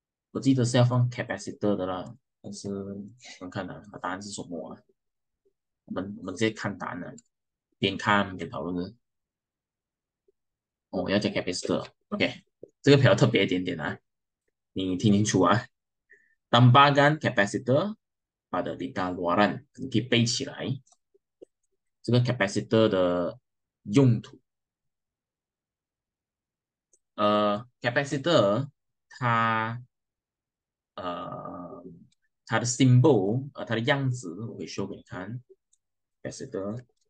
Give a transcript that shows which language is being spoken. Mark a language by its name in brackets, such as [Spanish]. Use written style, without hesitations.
[Chinese] 我记得是要放 capacitor 的啦，但是我看啊，答案是什么啊？我们直接看答案啊，边看边讨论的。哦，要加 capacitor，OK。 [English] Okay。 [Chinese] 这个比较特别一点点啊，你听清楚啊。 [Malay] Tambahkan kapasitor pada tingkat luaran kipai [Chinese] 起来，这个 kapasitor 的用途。 Kapasitor 它的 symbol 它的样子我可以 show 给你看。 [Malay] Kapasitor。